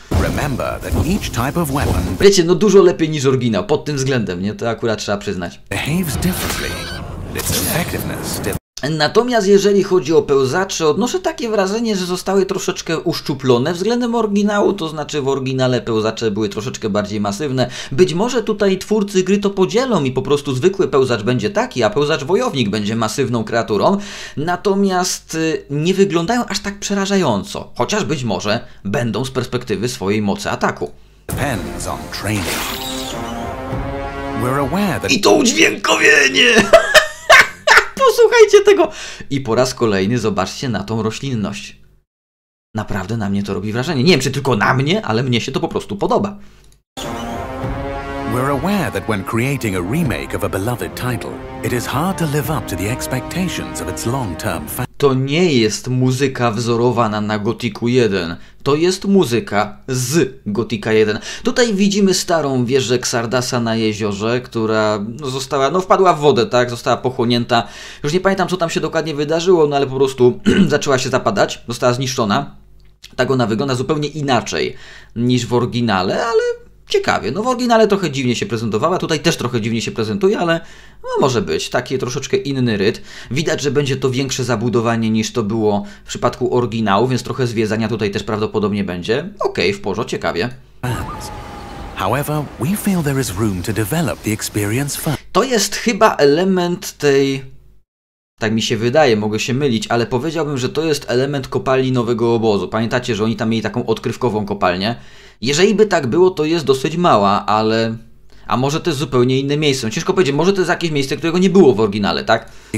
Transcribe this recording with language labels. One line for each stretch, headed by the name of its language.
English: Remember that each type of weapon...
Polish: Wiecie, no dużo lepiej niż oryginał. Pod tym względem, nie? To akurat trzeba przyznać.
English: Behaves differently. Its effectiveness...
Polish: Natomiast jeżeli chodzi o pełzacze, odnoszę takie wrażenie, że zostały troszeczkę uszczuplone względem oryginału, to znaczy w oryginale pełzacze były troszeczkę bardziej masywne. Być może tutaj twórcy gry to podzielą i po prostu zwykły pełzacz będzie taki, a pełzacz wojownik będzie masywną kreaturą. Natomiast nie wyglądają aż tak przerażająco, chociaż być może będą z perspektywy swojej mocy ataku.
English: Depends on training. We're aware that...
Polish: I to udźwiękowienie! Posłuchajcie tego! I po raz kolejny zobaczcie na tą roślinność. Naprawdę na mnie to robi wrażenie. Nie wiem, czy tylko na mnie, ale mnie się to po prostu podoba.
English: We're aware that when creating a remake of a beloved title, it is hard to live up to the expectations of its long-term fans.
Polish: To nie jest muzyka wzorowana na Gothicu 1. To jest muzyka z Gothica 1. Tutaj widzimy starą wieżę Xardasa na jeziorze, która została, no wpadła w wodę, tak? Została pochłonięta. Już nie pamiętam, co tam się dokładnie wydarzyło, no ale po prostu zaczęła się zapadać, została zniszczona. Tak ona wygląda zupełnie inaczej niż w oryginale, ale ciekawie. No w oryginale trochę dziwnie się prezentowała, tutaj też trochę dziwnie się prezentuje, ale no może być, taki troszeczkę inny rytm. Widać, że będzie to większe zabudowanie niż to było w przypadku oryginału, więc trochę zwiedzania tutaj też prawdopodobnie będzie. Okej, w porządku, ciekawie.
English: However, we feel there is room to develop the experience first.
Polish: To jest chyba element tej... Tak mi się wydaje, mogę się mylić, ale powiedziałbym, że to jest element kopalni nowego obozu. Pamiętacie, że oni tam mieli taką odkrywkową kopalnię? Jeżeli by tak było, to jest dosyć mała, ale... A może to jest zupełnie inne miejsce? Ciężko powiedzieć, może to jest jakieś miejsce, którego nie było w oryginale, tak?